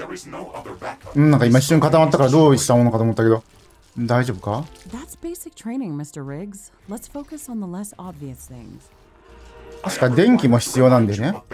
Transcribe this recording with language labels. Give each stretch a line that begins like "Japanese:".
Japanese: なんか今一瞬固まったからどうしたものかと思ったけど、大丈夫か。
English: That's basic training, Mr. Riggs. Let's focus on the less obvious things.
Japanese: 確か電気も必要なんでね。